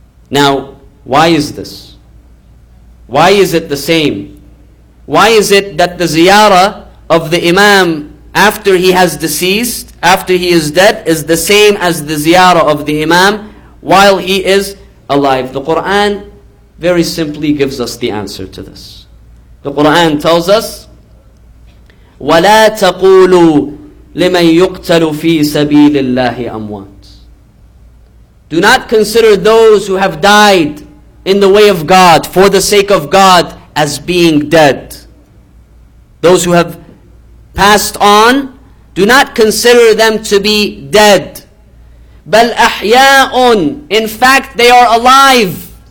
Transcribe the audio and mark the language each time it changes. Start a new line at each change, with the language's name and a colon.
English: Now, why is this? Why is it the same? Why is it that the ziyarah of the imam after he has deceased, after he is dead, is the same as the ziyarah of the imam while he is alive? The Quran very simply gives us the answer to this. The Quran tells us,
Arabic: "وَلَا تَقُولُوا لِمَن يُقْتَلُ فِي سَبِيلِ اللَّهِ أَمْوَاتٍ."
English: Do not consider those who have died in the way of God, for the sake of God, as being dead. Those who have passed on, do not consider them to be dead.
Arabic: بَلْ أَحْيَاءٌ,
English: in fact, they are alive.